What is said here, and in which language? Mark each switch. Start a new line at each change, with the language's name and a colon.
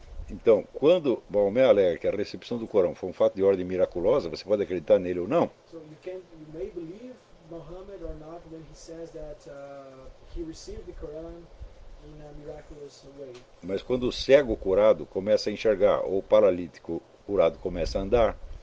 Portuguese: Então, quando Maomé alega que a recepção do Corão foi um fato de ordem miraculosa, você pode acreditar nele ou não?
English: So you can, you may believe Muhammad or not when he says that he received the Quran in a miraculous way.
Portuguese: Mas quando o cego curado começa a enxergar ou o paralítico curado começa a andar?